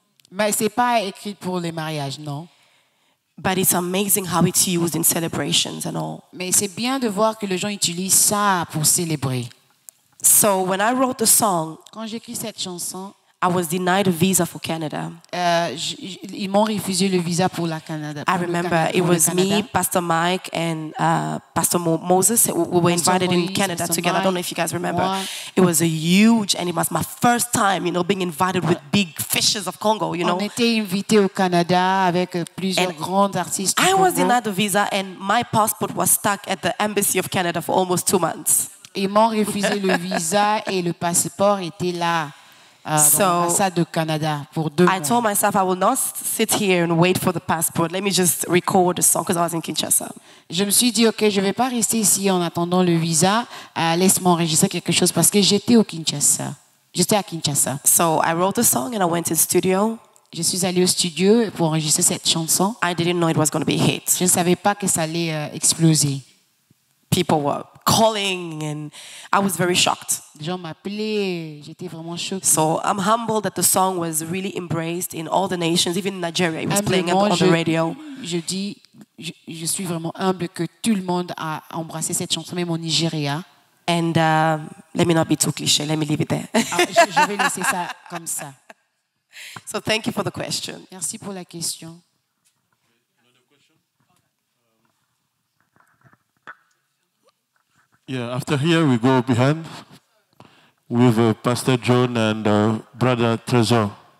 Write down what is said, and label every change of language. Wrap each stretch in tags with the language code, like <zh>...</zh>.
<fr>Mais c'est pas écrit pour les mariages, non.</fr> <en>But it's amazing how it's used in celebrations and all.</en> <fr>Mais c'est bien de voir que les gens utilisent ça pour célébrer.</fr> <en>So when I wrote the song,</en> <fr>quand j'écris cette chanson,</fr> <en>I was denied a visa for Canada.</en> <fr>Ils m'ont refusé le visa pour la Canada.</fr> <en>I remember it was me, Pastor Mike, and Pastor Moses. We were invited in Canada together. I don't know if you guys remember. It was a huge, and it was my first time, you know, being invited with big fishes of Congo. You know,</en> <fr>on était invité au Canada avec plusieurs grands artistes.</fr> <en>I was denied a visa, and my passport was stuck at the embassy of Canada for almost 2 months.</en> <fr>Ils m'ont refusé le visa et le passeport était là.</fr> <en>I told myself I will not sit here and wait for the passport. Let me just record the song because I was in Kinshasa.</en> <fr>Je me suis dit ok, je vais pas rester ici en attendant le visa. Laisse-moi enregistrer quelque chose parce que j'étais à Kinshasa.</fr> <en>So I wrote the song and I went in studio.</en> <fr>Je suis allée au studio pour enregistrer cette chanson.</fr> <en>I didn't know it was going to be a hit.</en> <fr>Je ne savais pas que ça allait exploser.</fr> <en>People were calling and I was very shocked.</en> <fr>Les gens m'appelaient, j'étais vraiment choquée.</fr> <en>So I'm humbled that the song was really embraced in all the nations, even in Nigeria. It was playing on the radio.</en> <fr>Je suis vraiment humble que tout le monde a embrassé cette chanson, même au Nigeria.</fr> <en>And let me not be too cliché, let me leave it there.</en> <fr>Je vais laisser ça comme ça.</fr> <en>So thank you for the question.</en> <fr>Merci pour la question.</fr> <en>Yeah, after here we go behind with Pastor John and Brother Trezor.</en>